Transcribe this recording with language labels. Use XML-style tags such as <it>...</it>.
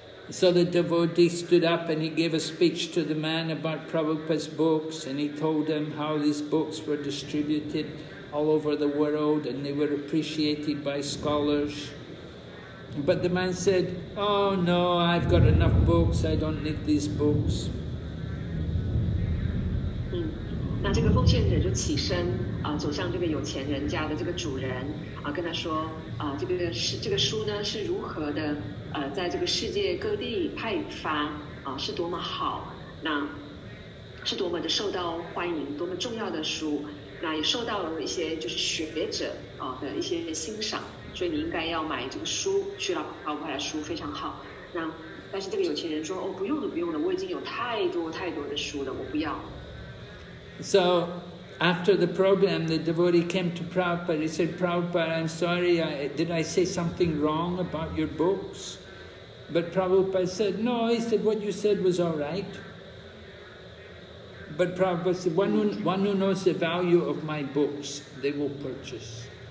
<en>So the devotee stood up and he gave a speech to the man about Prabhupada's books, and he told him how these books were distributed all over the world and they were appreciated by scholars. But the man said, oh no, I've got enough books, I don't need these books.</en> <zh>那这个奉献者就起身走向这个有钱人家的这个主人跟他说这个书呢是如何的在这个世界各地派发是多么好，那是多么的受到欢迎，多么重要的书，那也受到了一些就是学者的一些欣赏。所以你应该要买这个书，去了包括他的书非常好。那但是这个有钱人说，哦，不用了，不用了，我已经有太多太多的书了，我不要。</zh> <en>So after the program, the devotee came to Prabhupada. He said, Prabhupada, I'm sorry. Did I say something wrong about your books? But Prabhupada said, no. He said, what you said was all right. But Prabhupada said, one who knows the value of my books, they will purchase.</en>